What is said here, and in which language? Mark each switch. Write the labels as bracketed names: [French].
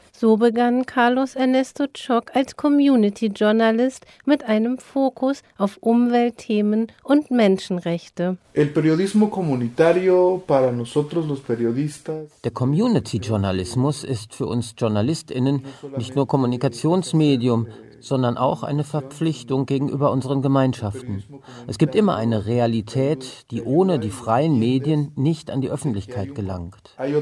[German] So begann Carlos Ernesto Choc als Community-Journalist mit einem Fokus auf Umweltthemen und Menschenrechte. [Spanish] El periodismo comunitario para nosotros los periodistas. [German] Der Community-Journalismus ist für uns JournalistInnen nicht nur Kommunikationsmedium, sondern auch eine Verpflichtung gegenüber unseren Gemeinschaften. Es gibt immer eine Realität, die ohne die freien Medien nicht an die Öffentlichkeit gelangt.